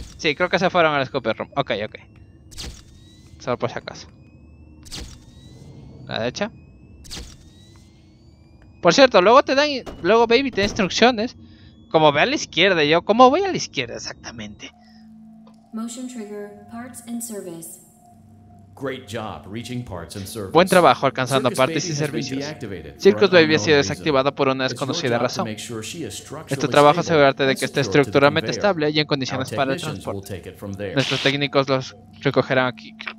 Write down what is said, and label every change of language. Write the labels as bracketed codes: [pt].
[es] Sí, creo que se fueron al escape room. Okay. Solo por si acaso. La derecha. Por cierto, luego te dan. Luego Baby te da instrucciones. Como ve a la izquierda, yo. ¿Cómo voy a la izquierda exactamente? [en] Motion trigger, parts and service. Great job reaching parts and service. [es] Buen trabajo alcanzando partes y servicios. Circus Baby ha sido desactivado por una desconocida razón. Es tu trabajo asegurarte de que esté estructuralmente estable y en condiciones para el transporte. Nuestros técnicos los recogerán aquí.